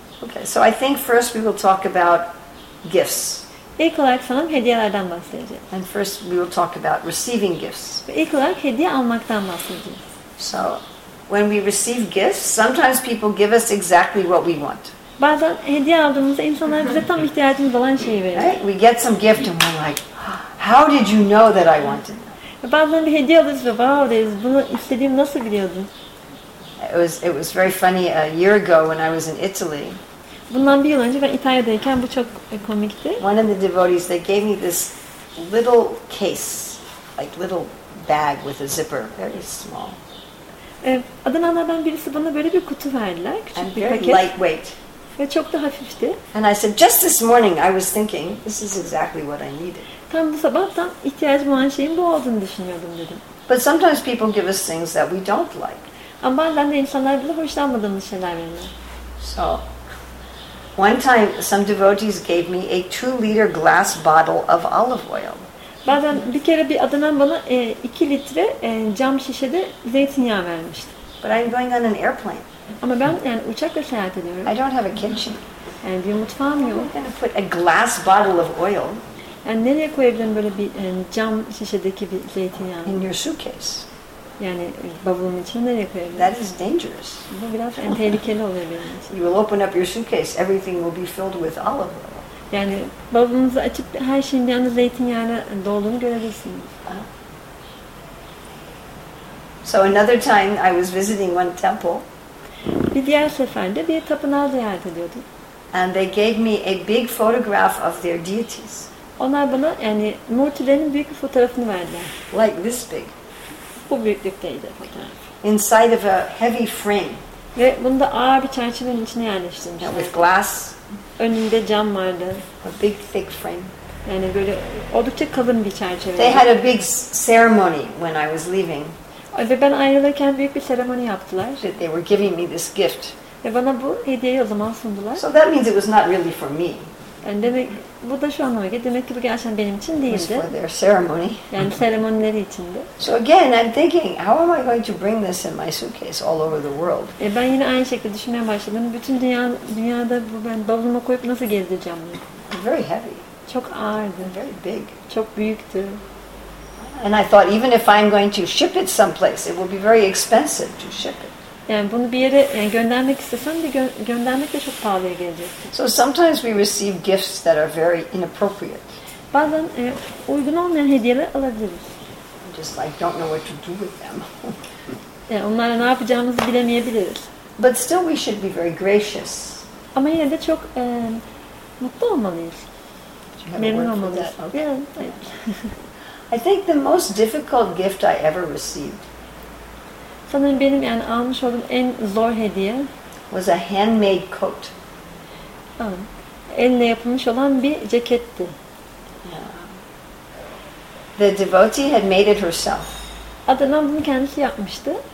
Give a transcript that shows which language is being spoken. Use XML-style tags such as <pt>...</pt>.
<en>Okay, so I think first we will talk about gifts.</en> <tr>İlk olarak sanırım hediyelerden bahsedeceğiz.</tr> <en>And first we will talk about receiving gifts.</en> <tr>İlk olarak hediye almaktan bahsedeceğiz.</tr> <en>So when we receive gifts, sometimes people give us exactly what we want.</en> <tr>Bazen hediye aldığımızda insanlar bize tam ihtiyacımız olan şeyi veriyor.</tr> <en>Right? We get some gift and we're like, how did you know that I wanted that?</en> <tr>Bazen bir hediye alırız ve wow deriz, bunu istediğimi nasıl biliyordun?</tr> <en>It was very funny a year ago when I was in Italy.</en> <tr>Bundan bir yıl önce ben İtalya'dayken bu çok komikti.</tr> <en>One of the devotees, they gave me this little case, like little bag with a zipper, very small.</en> <tr>Adananlardan birisi bana böyle bir kutu verdiler, küçük</tr> <en>and</en> <tr>bir paket.</tr> <en>And very lightweight.</en> <tr>Ve çok da hafifti.</tr> <en>And I said, just this morning I was thinking, this is exactly what I needed.</en> <tr>Tam bu sabah tam ihtiyacım olan şeyin bu olduğunu düşünüyordum dedim.</tr> <en>But sometimes people give us things that we don't like.</en> <tr>Ama bazen de insanlar bize hoşlanmadığımız şeyler veriyor.</tr> <en>So, one time some devotees gave me a 2-liter glass bottle of olive oil.</en> <tr>Bazen bir kere bir adanan bana 2 litre cam şişede zeytinyağı vermişti.</tr> <en>But I'm going on an airplane.</en> <tr>Ama ben yani uçakla seyahat ediyorum.</tr> <en>I don't have a kitchen.</en> <tr>Yani bir mutfağım yok.</tr> <en>I'm going to put a glass bottle of oil.</en> <tr>Yani nereye koyabilirim böyle bir cam şişedeki bir zeytinyağı?</tr> <en>In your suitcase.</en> <tr>Yani bavulun içine nereye koyabilirim?</tr> <en>That is dangerous.</en> <tr>Bu biraz tehlikeli oluyor benim için.</tr> <en>You will open up your suitcase, everything will be filled with olive oil.</en> <tr>Yani bavulunuzu açıp her şeyin bir anda zeytinyağına dolduğunu görebilirsiniz.</tr> <en>So another time I was visiting one temple.</en> <tr>Bir diğer seferde bir tapınağı ziyaret ediyordum.</tr> <en>And they gave me a big photograph of their deities.</en> <tr>Onlar bana yani murtilerin büyük bir fotoğrafını verdiler.</tr> <en>Like this big.</en> <tr>Bu büyüklükteydi fotoğraf.</tr> <en>Inside of a heavy frame.</en> <tr>Ve bunu da ağır bir çerçevenin içine yerleştirmişler.</tr> <en>Yeah, with glass.</en> <tr>Önünde cam vardı.</tr> <en>A big thick frame.</en> <tr>Yani böyle oldukça kalın bir çerçeve.</tr> <en>They had a big ceremony when I was leaving.</en> <tr>Ve ben ayrılırken büyük bir seremoni yaptılar.</tr> <en>That they were giving me this gift.</en> <tr>Ve bana bu hediyeyi o zaman sundular.</tr> <en>So that means it was not really for me.</en> <tr>Yani demek bu da şu anlama geliyor. Demek ki bu gerçekten benim için değildi.</tr> <en>It was for their ceremony.</en> <tr>Yani seremonileri içindi.</tr> <en>So again, I'm thinking, how am I going to bring this in my suitcase all over the world?</en> <tr>Ben yine aynı şekilde düşünmeye başladım. Bütün dünyada bu ben bavuluma koyup nasıl gezdireceğim bunu?</tr> <en>Very heavy.</en> <tr>Çok ağırdı.</tr> <en>Very big.</en> <tr>Çok büyüktü.</tr> <en>And I thought, even if I'm going to ship it someplace, it will be very expensive to ship it.</en> <tr>Yani bunu bir yere yani göndermek istesem de göndermek de çok pahalıya gelecek.</tr> <en>So sometimes we receive gifts that are very inappropriate.</en> <tr>Bazen uygun olmayan hediyeler alabiliriz.</tr> <en>Just like don't know what to do with them.</en> <tr>Yani onlara ne yapacağımızı bilemeyebiliriz.</tr> <en>But still we should be very gracious.</en> <tr>Ama yine de çok mutlu olmalıyız. Memnun olmalıyız.</tr> <en>Okay. Yeah, I think the most difficult gift I ever received.</en> <tr>Sanırım benim yani almış olduğum en zor hediye</tr> <en>was a handmade coat.</en> <tr>Elle yapılmış olan bir ceketti.</tr> <en>The devotee had made it herself.</en> <tr>Adanan bunu kendisi yapmıştı.</tr>